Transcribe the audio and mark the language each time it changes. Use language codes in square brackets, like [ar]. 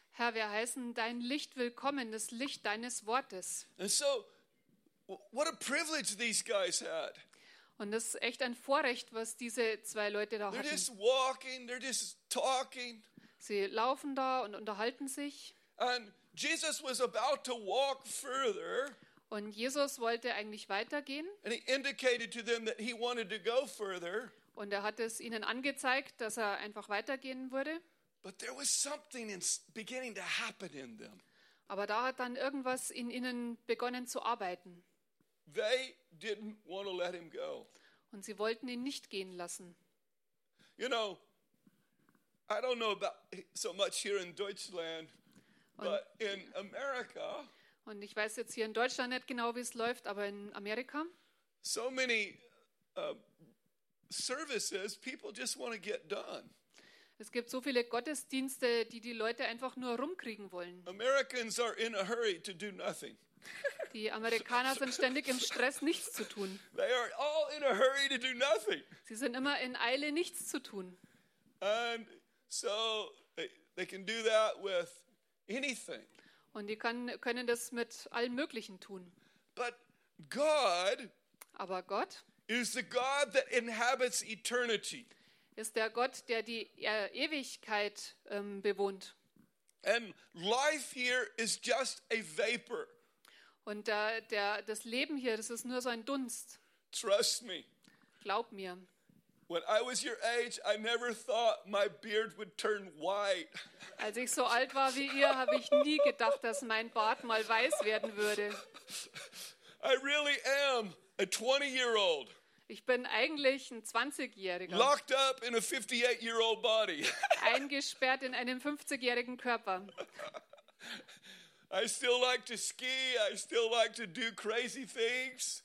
[de] Herr, wir heißen dein Licht willkommen, das Licht deines Wortes. [en] And so, what a privilege these guys had. [de] Und das ist echt ein Vorrecht, was diese zwei Leute da hatten. [en] They're just walking, they're just talking. [de] Sie laufen da und unterhalten sich. [en] And Jesus was about to walk further. [de] Und Jesus wollte eigentlich weitergehen. [en] And he indicated to them that he wanted to go further. [de] Und hat es ihnen angezeigt, dass einfach weitergehen würde. [en] But there was something beginning to happen in them. [de] Aber da hat dann irgendwas in ihnen begonnen zu arbeiten. [en] They didn't want to let him go. [de] Und sie wollten ihn nicht gehen lassen. [en] You know, I don't know about so much here in Deutschland, but in America. [de] Und ich weiß jetzt hier in Deutschland nicht genau, wie es läuft, aber in Amerika. [en] So many services, people just want to get done. [de] Es gibt so viele Gottesdienste, die Leute einfach nur rumkriegen wollen. [en] Americans are in a hurry to do nothing. [de] Die Amerikaner sind ständig im Stress, nichts zu tun. [en] They are all in a hurry to do nothing. [de] Sie sind immer in Eile, nichts zu tun. [en] And so they can do that with anything. [de] Und die können das mit allem Möglichen tun. [en] But God, [de] aber Gott, [en] is the God that inhabits eternity. [de] Ist der Gott, der die Ewigkeit bewohnt. [en] And life here is just a vapor. [de] Und das Leben hier, das ist nur so ein Dunst. [en] Trust me. [de] Glaub mir. [en] When I was your age, I never thought my beard would turn white. [de] Als ich so alt war wie ihr, habe ich nie gedacht, dass mein Bart mal weiß werden würde. [en] I really am a 20-year-old. [de] Ich bin eigentlich ein 20-Jähriger. [en] Locked up in a 58-year-old body. [de] Eingesperrt in einem 50-jährigen Körper. [en] I still like to ski. I still like to do crazy things.